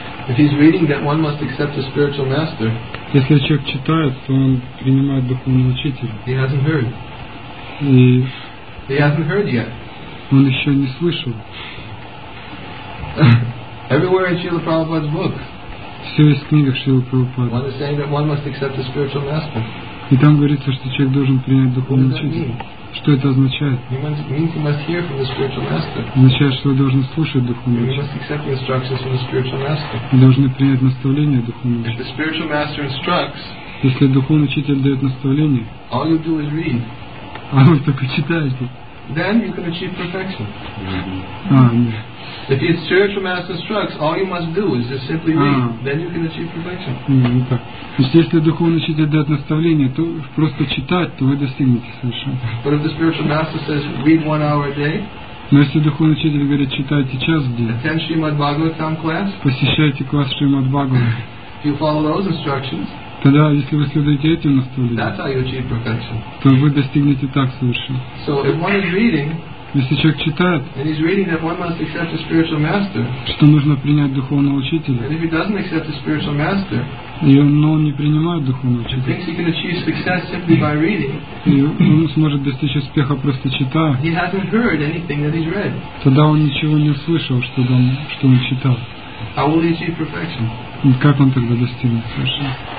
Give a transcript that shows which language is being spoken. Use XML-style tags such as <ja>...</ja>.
<en>If he's reading, that one must accept a spiritual master.</en> <ru>Если человек читает, то он принимает духовного учителя.</ru> <en>He hasn't heard.</en> <ru>И</ru> <en>he hasn't heard yet.</en> <ru>Он еще не слышал.</ru> <en>Everywhere in Srila Prabhupada's book.</en> <ru>Все есть в книгах Шрилы Прабхупады.</ru> <en>One is saying that one must accept a spiritual master.</en> <ru>И там говорится, что человек должен принять духовного учителя. Что это означает? Означает, что вы должны слушать духовного учителя. Вы должны принять наставление духовного учителя. Если духовный учитель дает наставление,</ru> <en>all you do is read.</en> <ru>А вы только читаете.</ru> <en>Then you can achieve perfection. Mm-hmm. If your spiritual master instructs, all you must do is just simply read. Then you can achieve perfection. Mm-hmm.</en> <ru>То есть, если духовный учитель дает наставление, то просто читать, то вы достигнете совершенства.</ru> <en>But if the spiritual master says read 1 hour a day,</en> <ru>но если духовный учитель говорит читайте час в день,</ru> <en>attend Shrimad Bhagavatam class,</en> <ru>посещайте класс Шримад Бхагаватам,</ru> <en>if you follow those instructions,</en> <ru>тогда, если вы следуете этим наставлениям, то вы достигнете так совершенно.</ru> <en>So, if one is reading,</en> <ru>если человек читает,</ru> <en>and he's reading that one must accept a spiritual master,</en> <ru>что нужно принять духовного учителя,</ru> <en>and if he doesn't accept a spiritual master,</en> <ru>и он, но он не принимает духовного учителя,</ru> <en>he thinks he can achieve success simply by reading,</en> <ru>и он сможет достичь успеха просто читая,</ru> <en>he hasn't heard anything that he's read.</en> <ru>Тогда он ничего не услышал, что он читал.</ru> <en>How will he achieve perfection?</en> <ru>И как он тогда достигнет совершенства?</ru>